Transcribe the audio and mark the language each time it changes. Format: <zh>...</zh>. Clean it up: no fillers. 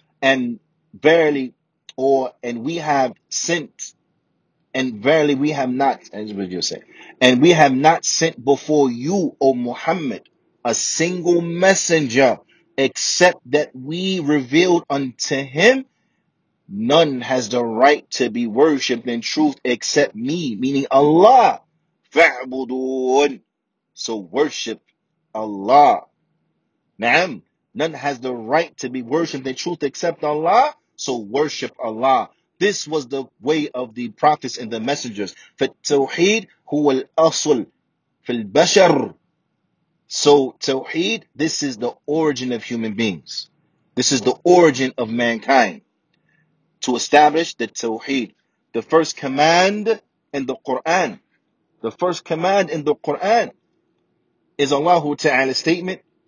<en>And we have not sent before you, O Muhammad, a single messenger, except that we revealed unto him, none has the right to be worshipped in truth except me, meaning Allah. فَعْبُدُونَ. So worship Allah. Na'am. None has the right to be worshipped in truth except Allah. So worship Allah. This was the way of the prophets and the messengers.</en> <ar>فالتوحيد هو الأصل في البشر.</ar> <en>So Tawheed, this is the origin of human beings. This is the origin of mankind. To establish the Tawheed. The first command in the Quran. The first command in the Quran is Allah Ta'ala's statement.</en>